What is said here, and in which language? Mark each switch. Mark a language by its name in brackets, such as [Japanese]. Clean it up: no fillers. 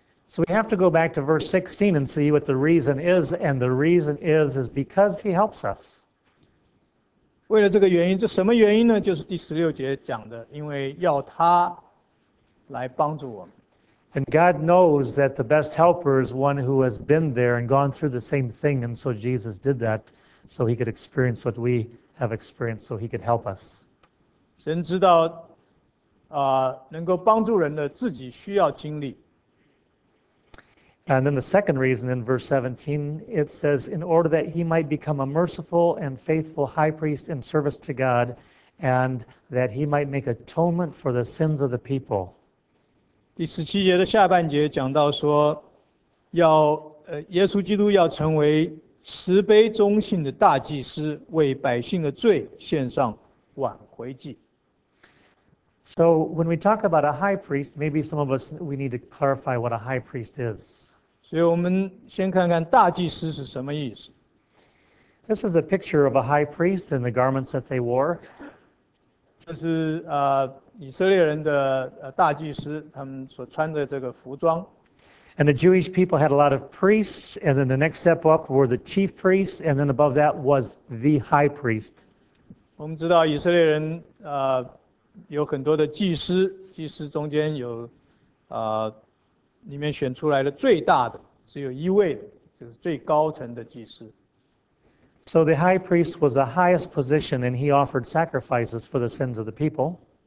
[English] So we have to go back to verse 16 and see what the reason is, and the reason is because he helps us. [Chinese] 为了这个原因，这什么原因呢？就是第十六节讲的，因为要他来帮助我们。 [English] And God knows that the best helper is one who has been there and gone through the same thing, and so Jesus did that so he could experience what we have experienced, so he could help us. [Chinese] 神知道，能够帮助人的自己需要经历。 [English] And then the second reason in verse 17, it says, in order that he might become a merciful and faithful high priest in service to God, and that he might make atonement for the sins of the people. [Chinese] 第十七节的下半节讲到说，要耶稣基督要成为慈悲忠信的大祭司，为百姓的罪献上挽回祭。 [English] So when we talk about a high priest, maybe some of us we need to clarify what a high priest is. [Chinese] 所以我们先看看大祭司是什么意思。 [English] This is a picture of a high priest and the garments that they wore. [Chinese] 这是以色列人的大祭司他们所穿的这个服装。 [English] And the Jewish people had a lot of priests, and then the next step up were the chief priests, and then above that was the high priest. [Chinese] 我们知道以色列人有很多的祭司，祭司中间有里面选出来的最大的，只有一位的，这个是最高层的祭司。 [English] So the high priest was the highest position, and he offered sacrifices for the sins of the people.